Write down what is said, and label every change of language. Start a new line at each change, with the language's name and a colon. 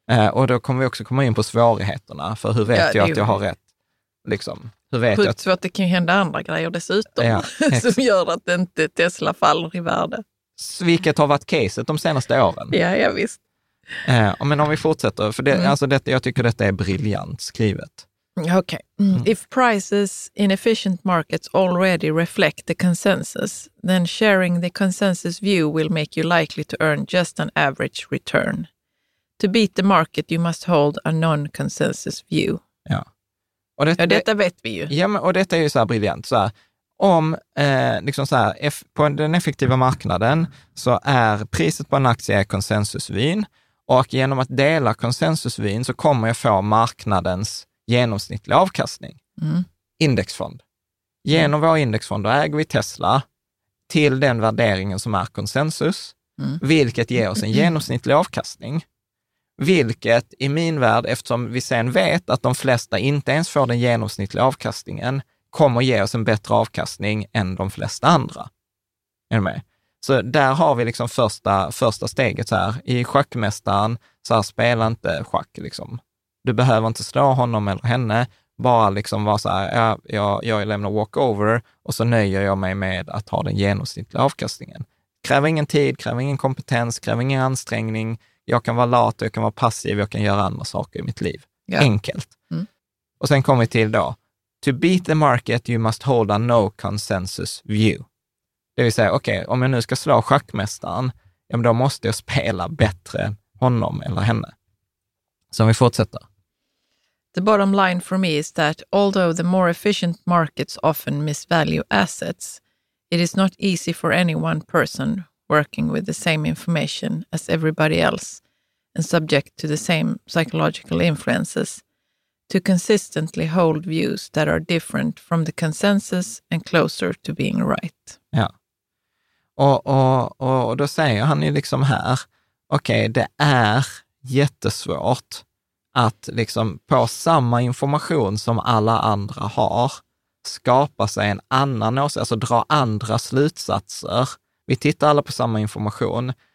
Swedish: Och då kommer vi också komma in på svårigheterna, för hur vet jag att jag har rätt? Liksom, hur vet jag att det kan hända andra grejer dessutom som gör att inte Tesla faller i värde. Vilket har varit caset de senaste åren. Ja, visst. Men om vi fortsätter, för jag tycker detta är briljant skrivet. Okay.
English: If prices in efficient markets already reflect the consensus, then sharing the consensus view will make you likely to earn just an average return. To beat the market you must hold a non-consensus view.
Swedish: Ja. Och detta vet vi ju. Ja, men, och detta är ju så här briljant. Så här, om liksom så här, på den effektiva marknaden så är priset på en aktie konsensusvyn. Och genom att dela konsensusvyn så kommer jag få marknadens genomsnittliga avkastning. Mm. Indexfond. Genom vår indexfond då äger vi Tesla till den värderingen som är konsensus. Mm. Vilket ger oss en genomsnittlig avkastning. Vilket i min värld, eftersom vi sen vet att de flesta inte ens får den genomsnittliga avkastningen, kommer ge oss en bättre avkastning än de flesta andra. Är du med? Så där har vi liksom första steget så här. I schackmästaren, så här, spela inte schack liksom. Du behöver inte slå honom eller henne, bara liksom vara så här, jag lämnar walkover och så nöjer jag mig med att ha den genomsnittliga avkastningen. Kräver ingen tid, kräver ingen kompetens, kräver ingen ansträngning. Jag kan vara lat, jag kan vara passiv, jag kan göra andra saker i mitt liv. Ja. Enkelt. Mm. Och sen kommer vi till då.
English: To beat the market you must hold a no consensus view.
Swedish: Det vill säga, okej, om jag nu ska slå schackmästaren, ja, men då måste jag spela bättre än honom eller henne. Så om vi fortsätter.
English: The bottom line for me is that although the more efficient markets often misvalue assets, it is not easy for any one person working with the same information as everybody else and subject to the same psychological influences to consistently hold views that are different from the consensus and closer to being right.
Swedish: Ja. Och då säger han ju liksom här, okej, det är jättesvårt att liksom på samma information som alla andra har skapa sig en annan åsikt, alltså dra andra slutsatser. Vi tittar alla på samma information,